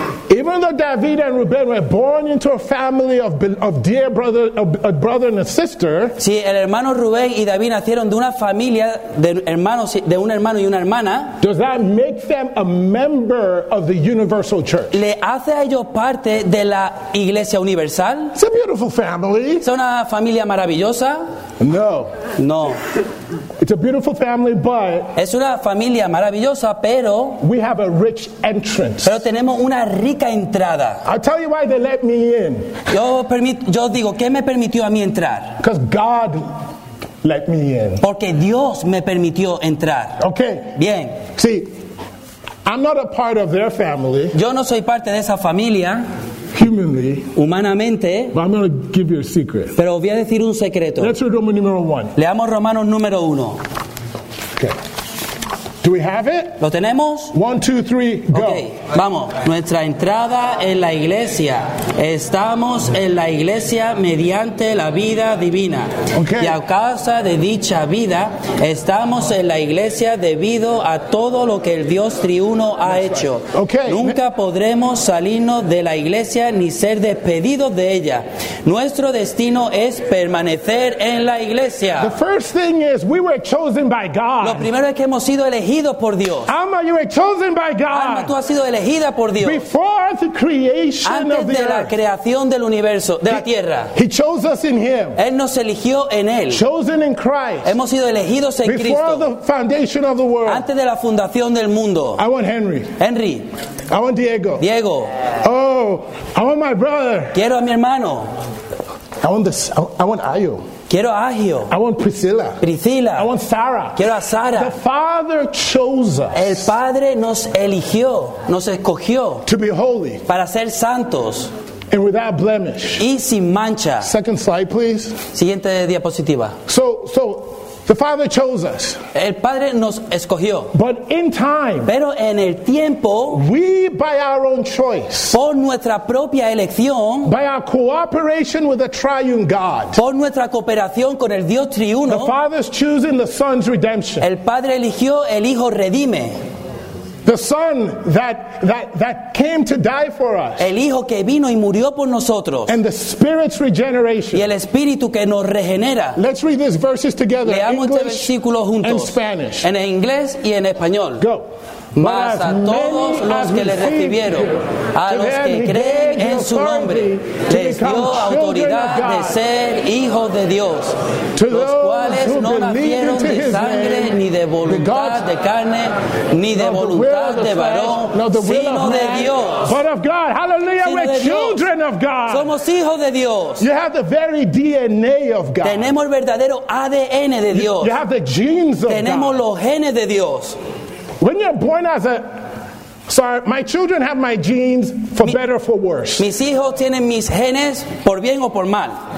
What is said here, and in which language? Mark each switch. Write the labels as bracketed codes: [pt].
[en] Even though David and Reuben were born into a family of a brother and a sister, [es] si el hermano Rubén y David nacieron de una familia de hermanos, de un hermano y una hermana, [en] does that make them a member of the universal church? [es] ¿Le hace a ellos parte de la iglesia universal? [en] It's a beautiful family. [es] ¿Es una familia maravillosa? [en] No. [es] No. [en] It's a beautiful family, but [es] es una familia maravillosa, pero [en] we have a rich entrance. [es] Pero tenemos una rica entrada. [en] I'll tell you why they let me in. [es] Yo digo, ¿qué me permitió a mí entrar? [en] Because God let me in. [es] Porque Dios me permitió entrar. [en] Okay. [es] Bien. [en] See, I'm not a part of their family. [es] Yo no soy parte de esa familia. [en] Humanly, [es] humanamente, [en] but I'm going to give you a secret. [es] Pero voy a decir un secreto. [en] Let's read Romans number one. [es] Leamos Romanos número uno. [en] Okay. Do we have it? [es] Lo tenemos. [en] One, two, three, go. [es] Okay. Vamos. Nuestra entrada en la iglesia. Estamos en la iglesia mediante la vida divina. [en] Okay. [es] Y a causa de dicha vida, estamos en la iglesia debido a todo lo que el Dios triuno ha hecho. [en] Right. Okay. [es] Nunca podremos salirnos de la iglesia ni ser despedidos de ella. Nuestro destino es permanecer en la iglesia. [en] The first thing is we were chosen by God. [es] Lo primero es que hemos sido elegido por Dios. [en] Alma, you were chosen by God. [es] Alma, tú has sido elegida por Dios. [en] Before the creation [es] antes [en] of the [es] de [en] earth. [es] La creación del universo, de la tierra. [en] He chose us in him. [es] Él nos eligió en él. [en] Chosen in Christ. [es] Hemos sido elegidos en [en] Before [es] Cristo. [en] Before the foundation of the world. [es] Antes de la fundación del mundo. [en] I want Henry. [es] Henry. [en] I want Diego. [es] Diego. [en] Oh, I want my brother. [es] Quiero a mi hermano. [en] I want Ayo. [es] Quiero a Agio. [en] I want Priscilla. [es] Priscilla. [en] I want Sarah. [es] Quiero a Sarah. [en] The Father chose us. [es] El Padre nos eligió, nos escogió. [en] To be holy. [es] Para ser santos. [en] And without blemish. [es] Y sin mancha. [en] Second slide, please. [es] Siguiente diapositiva. [en] So the Father chose us. [es] El Padre nos escogió. [en] But in time. [es] Pero en el tiempo. [en] We by our own choice. [es] Por nuestra propia elección. [en] By our cooperation with the triune God. [es] Por nuestra cooperación con el Dios triuno. [en] The Father's choosing the Son's redemption. [es] El Padre eligió el Hijo redime. [en] The Son that came to die for us. [es] El Hijo que vino y murió por nosotros. [en] And the Spirit's regeneration. [es] Y el Espíritu que nos regenera. [en] Let's read these verses together. [es] Leamos [en] English [es] este versículo juntos. [en] And Spanish. [es] En inglés y en español. [en] Go. [es] Mas a todos los que le recibieron, a los que creen en su nombre, les dio autoridad de ser hijos de Dios, los cuales no nacieron de sangre, ni de voluntad de carne, ni de voluntad de varón, sino de Dios. [en] But of God. Hallelujah, we're children of God. [es] Somos hijos de Dios. [en] You have the very DNA of God. [es] Tenemos el verdadero ADN de Dios. [en] You have the genes of God. [es] Tenemos los genes de Dios. [en] When you're born as a... Sorry, my children have my genes for better or for worse. [es] Mis hijos tienen mis genes por bien o por mal.